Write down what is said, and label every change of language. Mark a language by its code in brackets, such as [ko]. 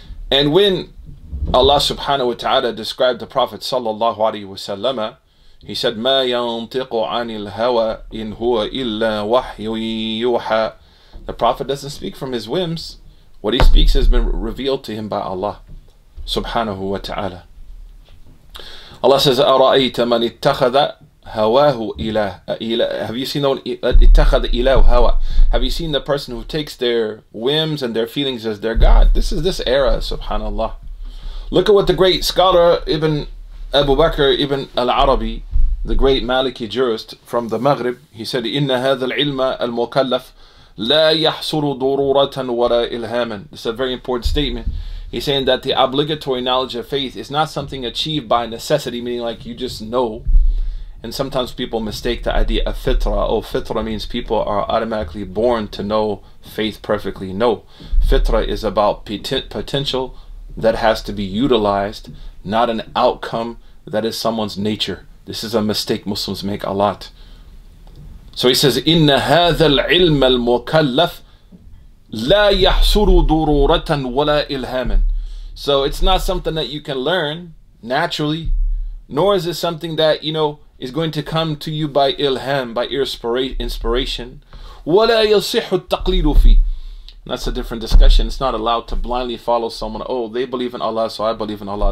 [en] And when Allah subhanahu wa ta'ala described the Prophet sallallahu alayhi wa sallam, he said, [ar] "Ma yantiqu 'anil hawa in huwa illa wahyun yuha." [en] The Prophet doesn't speak from his whims. What he speaks has been revealed to him by Allah subhanahu wa ta'ala. Allah says, [ar] أَرَأَيْتَ مَنِ اتَّخَذَ هَوَاهُ إِلَهًا. [en] Have you seen the [ar] اتَّخَذَ إِلَهُ هَوَى? [en] Have you seen the person who takes their whims and their feelings as their God? This is this era, subhanallah. Look at what the great scholar Ibn Abu Bakr Ibn al-Arabi, the great Maliki jurist from the Maghrib, he said, [ar] إِنَّ هَذَا الْعِلْمَ الْمُكَلَّفِ لا يحصل ضرورة ولا إلهاما. [en] This is a very important statement. He's saying that the obligatory knowledge of faith is not something achieved by necessity, meaning like you just know. And sometimes people mistake the idea of fitra. Oh, fitra means people are automatically born to know faith perfectly. No, fitra is about potential that has to be utilized, not an outcome that is someone's nature. This is a mistake Muslims make a lot. So he says, [ar] إِنَّ هَذَا الْعِلْمَ الْمُكَلَّفِ لَا يَحْصُرُ ضُرُورَةً وَلَا إِلْهَامًا. [en] So it's not something that you can learn naturally, nor is it something that, you know, is going to come to you by ilham, by inspiration. [ar] وَلَا يَصِحُ التَّقْلِيدُ فِيهِ. [en] That's a different discussion. It's not allowed to blindly follow someone. Oh, they believe in Allah, so I believe in Allah.